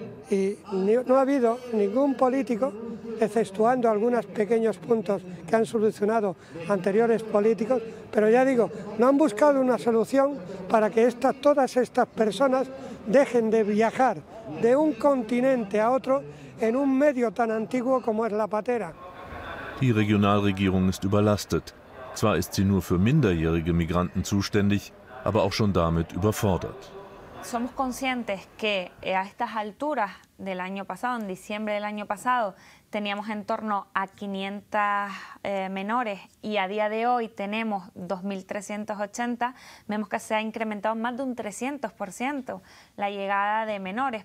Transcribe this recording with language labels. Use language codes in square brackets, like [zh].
[es] Y no ha habido ningún político, exceptuando algunos pequeños puntos que han solucionado anteriores políticos, pero ya digo, no han buscado una solución para que todas estas personas dejen de viajar de un continente a otro en un medio tan antiguo como es la patera. [de] Die Regionalregierung ist überlastet. Zwar ist sie nur für minderjährige Migranten zuständig, aber auch schon damit überfordert. [es] Somos conscientes que a estas alturas del año pasado, en diciembre del año pasado, teníamos en torno a 500 menores y a día de hoy tenemos 2.380. Vemos que se ha incrementado más de un 300% la llegada de menores.